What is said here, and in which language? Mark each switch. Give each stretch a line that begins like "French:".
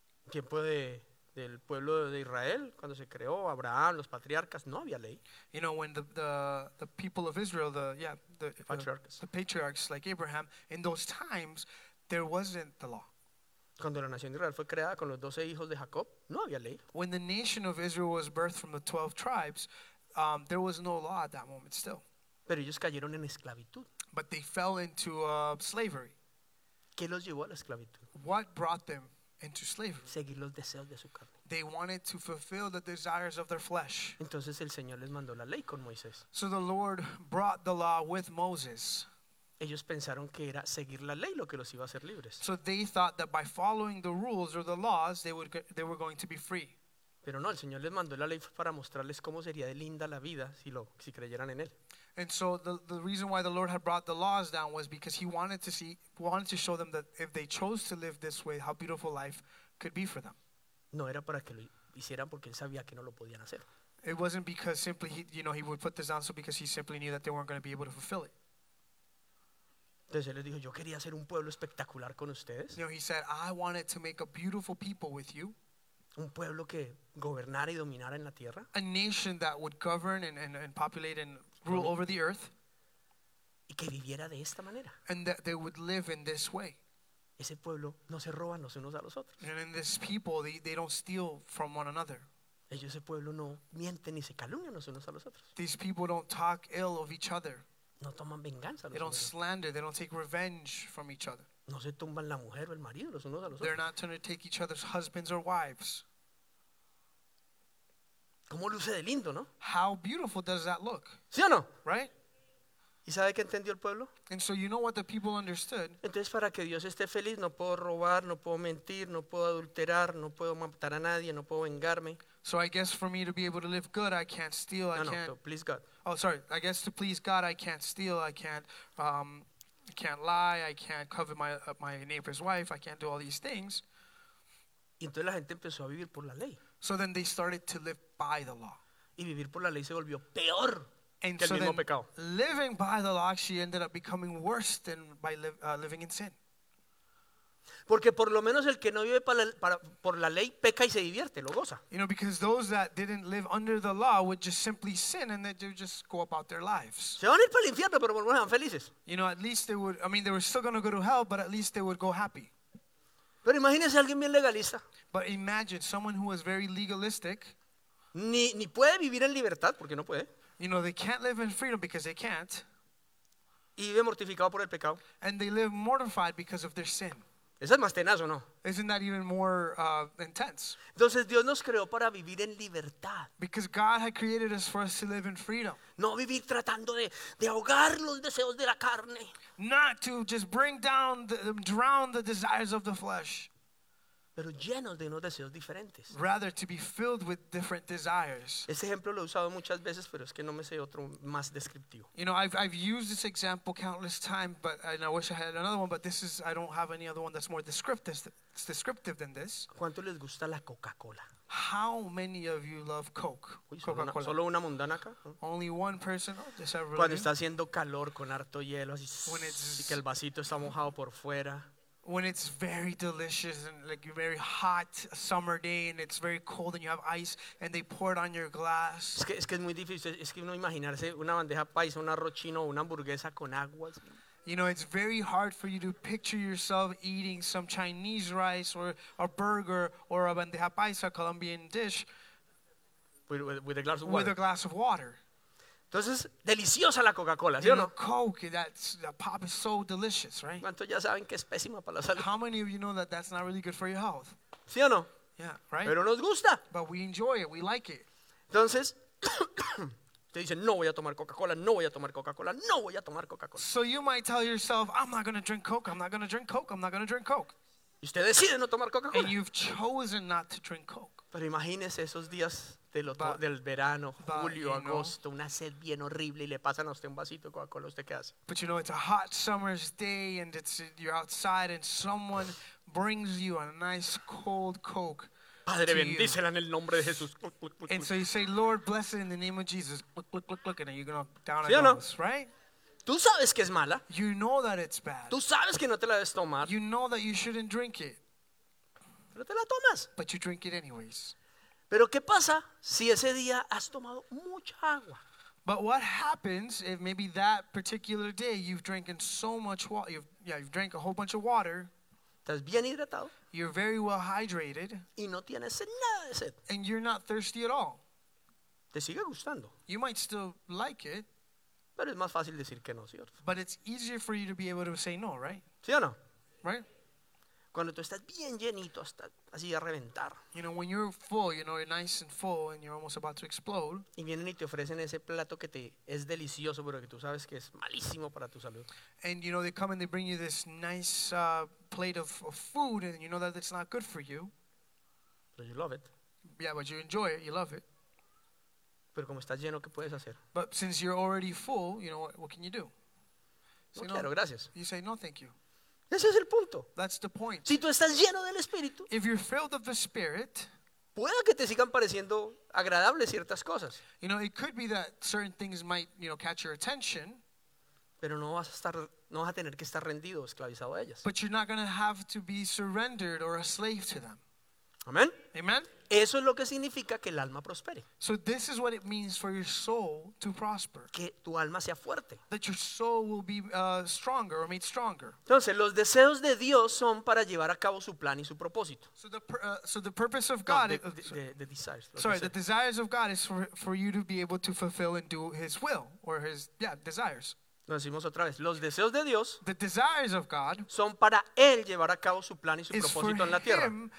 Spanish: Tiempo del pueblo de Israel cuando se creó Abraham, los patriarcas, no había ley.
English: You know, when the people of Israel, the patriarchs like Abraham, in those times there wasn't the law.
Spanish: Cuando la nación de Israel fue creada con los 12 hijos de Jacob, no había ley.
English: When the nation of Israel was birthed from the 12 tribes, there was no law at that moment still.
Spanish: Pero ellos cayeron en esclavitud.
English: But they fell into slavery.
Spanish: ¿Qué los llevó a la esclavitud?
English: What brought them into slavery?
Spanish: Seguir los deseos de su carne.
English: They wanted to fulfill the desires of their flesh.
Spanish: Entonces el Señor les mandó la ley con Moisés.
English: So the Lord brought the law with Moses.
Spanish: Ellos pensaron que era seguir la ley lo que los iba a hacer libres.
English: So they thought that by following the rules or the laws, they were going to be free.
Spanish: Pero no, el Señor les mandó la ley para mostrarles cómo sería de linda la vida si creyeran en él.
English: And so the reason why the Lord had brought the laws down was because he wanted to show them that if they chose to live this way, how beautiful life could be for them.
Spanish: No era para que lo hicieran porque él sabía que no lo podían hacer.
English: It wasn't because simply he would put this down so because he simply knew that they weren't going to be able to fulfill it.
Spanish: Entonces él les dijo, yo quería hacer un pueblo espectacular con ustedes.
English: You know, he said, I wanted to make a beautiful people with you.
Spanish: Un pueblo que gobernara y dominara en la tierra.
English: A nation that would govern and populate and rule over the earth.
Spanish: Y que viviera de esta manera.
English: And that they would live in this way.
Spanish: Ese pueblo no se roban los unos a los otros.
English: And in this people, they don't steal from one another.
Spanish: Ellos, ese pueblo, no mienten ni se calumnian los unos a los otros.
English: These people don't talk ill of each other.
Spanish: No toman venganza.
English: They don't slander. They don't take revenge from each other.
Spanish: No se tumban la mujer o el marido los unos a los
English: They're
Spanish: otros.
English: They're not going to take each other's husbands or wives.
Spanish: ¿Cómo luce de lindo, no?
English: How beautiful does that look?
Spanish: ¿Sí o no?
English: Right?
Spanish: ¿Y sabe qué entendió el pueblo?
English: And so you know what the people understood.
Spanish: Entonces, para que Dios esté feliz, no puedo robar, no puedo mentir, no puedo adulterar, no puedo matar a nadie, no puedo vengarme.
English: So I guess for me to be able to live good, I can't steal, no, I can't. No, please God. Oh, sorry. I guess to please God, I can't steal, I can't I can't lie, I can't covet my my neighbor's wife, I can't do all these things.
Spanish: Y entonces la gente empezó a vivir por la ley.
English: So then they started to live by the law.
Spanish: Y vivir por la ley se volvió peor.
English: And
Spanish: que
English: so
Spanish: el mismo
English: then
Spanish: pecado.
English: Living by the law actually ended up becoming worse than by living in sin.
Spanish: Porque por lo menos el que no vive por la ley peca y se divierte, lo goza.
English: You know, because those that didn't live under the law would just simply sin and they would just go about their lives.
Spanish: Se van a ir para el infierno, pero por lo menos van felices.
English: You know, at least they would, I mean, they were still going to go to hell, but at least they would go happy.
Spanish: Pero imagínese a alguien bien legalista.
English: But imagine someone who is very legalistic.
Spanish: Ni puede vivir en libertad porque no puede.
English: You know, they can't live in freedom because they can't.
Spanish: Y vive mortificado por el pecado.
English: And they live mortified because of their sin.
Spanish: Eso es más tenazo, ¿no?
English: Isn't that even more intense?
Spanish: Entonces Dios nos creó para vivir en libertad.
English: Because God had created us for us to live in freedom.
Spanish: No vivir tratando de ahogar los deseos de la carne.
English: Not to just bring down, drown the desires of the flesh.
Spanish: Pero llenos de unos deseos diferentes.
English: Rather to be filled with different desires.
Spanish: Ese ejemplo lo he usado muchas veces, pero es que no me sé otro más descriptivo.
English: You know, I've used this example countless times, but and I wish I had another one, but this is I don't have any other one that's more descriptive than this.
Spanish: ¿Cuánto les gusta la Coca-Cola?
English: How many of you love Coke?
Spanish: Coca-Cola. Solo una mundana acá.
English: Only one person. Oh, this ever
Spanish: cuando está haciendo calor con harto hielo así, y que el vasito está mojado por fuera.
English: When it's very delicious and like a very hot summer day and it's very cold and you have ice and they pour it on your glass.
Spanish: Es que es muy difícil, es que uno imaginarse una bandeja paisa, un arroz chino o una hamburguesa con agua.
English: You know, it's very hard for you to picture yourself eating some Chinese rice or a burger or a bandeja paisa, Colombian dish, with a glass of water. With a glass of water.
Spanish: Entonces, deliciosa la Coca-Cola, ¿sí o no?
English: Coke, that pop is so delicious, right?
Spanish: ¿Cuántos ya saben que es pésima para la salud?
English: How many of you know that that's not really good for your health?
Spanish: ¿Sí o no?
English: Yeah, right?
Spanish: Pero nos gusta.
English: But we enjoy it, we like it.
Spanish: Entonces, te dicen, no voy a tomar Coca-Cola, no voy a tomar Coca-Cola, no voy a tomar Coca-Cola.
English: So you might tell yourself, I'm not going to drink Coke, I'm not going to drink Coke, I'm not going to drink Coke.
Spanish: Y usted decide no tomar Coca-Cola.
English: And you've chosen not to drink Coke.
Spanish: Pero imagínese esos días del verano, julio, agosto, una sed bien horrible y le pasan a usted un vasito de Coca-Cola, ¿usted qué hace?
English: But you know, it's a hot summer's day and you're outside and someone brings you a nice cold Coke.
Spanish: Padre, bendícela en el nombre de Jesús.
English: And so you say, Lord, bless it in the name of Jesus. Look, and you're going down it goes, right?
Spanish: Tú sabes que es mala.
English: You know that it's bad.
Spanish: Tú sabes que no te la debes tomar.
English: You know that you shouldn't drink it.
Spanish: Pero te la tomas.
English: But you drink it anyways.
Spanish: Pero ¿qué pasa si ese día has tomado mucha agua?
English: But what happens if maybe that particular day you've drinking so much water, you've drank a whole bunch of water.
Spanish: Estás bien hidratado.
English: You're very well hydrated.
Spanish: Y no tienes nada de sed.
English: And you're not thirsty at all.
Spanish: Te sigue gustando.
English: You might still like it.
Spanish: Pero es más fácil decir que no, ¿cierto?
English: But it's easier for you to be able to say no, right?
Spanish: ¿Sí o no?
English: Right?
Spanish: Cuando tú estás bien llenito hasta así a reventar.
English: You know, when you're full, you know, you're nice and full and you're almost about to explode.
Spanish: Y vienen y te ofrecen ese plato que te es delicioso, pero que tú sabes que es malísimo para tu salud.
English: And you know, they come and they bring you this nice plate of food and you know that it's not good for you. But you love it. Yeah, but you enjoy it, you love it.
Spanish: Pero como estás lleno, ¿qué puedes hacer?
English: But since you're already full, you know, what can you do?
Spanish: So, no, claro, gracias.
English: You say, no, thank you.
Spanish: Ese es el punto.
English: That's the point.
Spanish: Si tú estás lleno del Espíritu,
English: if you're filled of the Spirit,
Spanish: puede que te sigan pareciendo agradables ciertas cosas.
English: You know, it could be that certain things might, you know, catch your attention.
Spanish: Pero no vas a estar, no vas a tener que estar rendido o esclavizado a ellas.
English: But you're not going to have to be surrendered or a slave to them. Amen. Amen.
Spanish: Eso es lo que significa que el alma prospere.
English: So this is what it means for your soul to prosper.
Spanish: Que tu alma sea fuerte.
English: That your soul will be stronger or made stronger.
Spanish: Entonces, los deseos de Dios son para llevar a cabo su plan y su propósito.
English: So the purpose of God. The desires of God is for you to be able to fulfill and do His will or His desires.
Spanish: Lo decimos otra vez. Los deseos de Dios son para Él llevar a cabo su plan y su propósito en la tierra.